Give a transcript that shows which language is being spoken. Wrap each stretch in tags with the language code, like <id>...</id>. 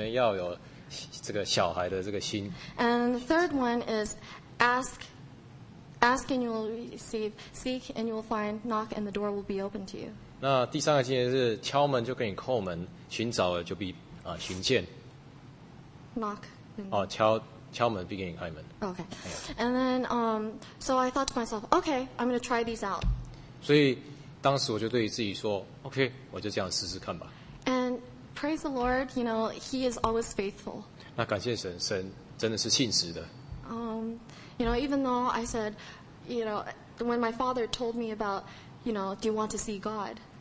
<zh>哦，那第二个经节是提到说你们要有这个小孩的这个心。</zh> <en>And the third one is ask and you will receive, seek and you will find, knock and the door will be open to you.</en> <zh>那第三个经节是敲门就给你叩门，寻找了就必寻见。</zh> <en>Knock.</en> <zh>哦，敲门必给你开门。</zh> <en>Okay. And then so I thought to myself, okay, I'm going to try these out.</en> <zh>所以当时我就对于自己说， okay， 我就这样试试看吧。</zh> <en>And praise the Lord, you know, He is always faithful.</en> <zh>那感谢神，神真的是信实的。</zh> <en>You know, even though I said, you know, when my father told me about, you know, do you want to see God?</en>